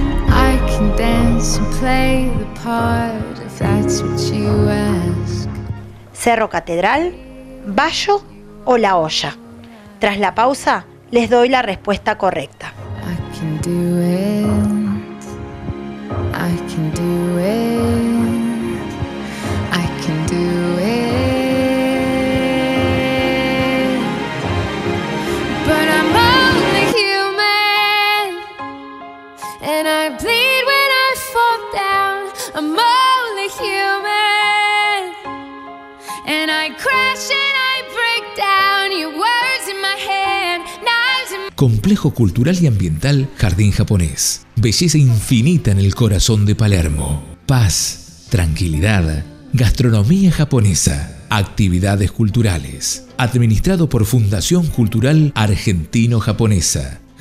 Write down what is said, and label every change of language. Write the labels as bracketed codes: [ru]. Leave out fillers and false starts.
[en] I can dance and play the part if that's what you ask. [es] ¿Cerro Catedral, Bayo o La Olla? Tras la pausa, les doy la respuesta correcta. [en] I can do it. I can do it. I can do it. But I'm only human. And I bleed when I fall down. I'm only human. And I crash and I break down. Your words in my head. [es] Complejo Cultural y Ambiental Jardín Japonés. Belleza infinita en el corazón de Palermo. Paz, tranquilidad, gastronomía japonesa, actividades culturales. Administrado por Fundación Cultural Argentino-Japonesa.